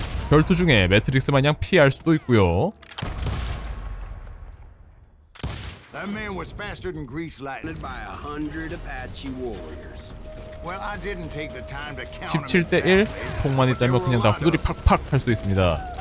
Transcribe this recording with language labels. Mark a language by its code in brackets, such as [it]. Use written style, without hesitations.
[ko] 결투 중에 매트릭스 마냥 피할 수도 있고요. [en] That man was faster than grease lightning by 100 Apache warriors. Well, I didn't take the time to count. [ko] 17-1 총만 있다면 그냥 다 후들이 팍팍 할 수 있습니다.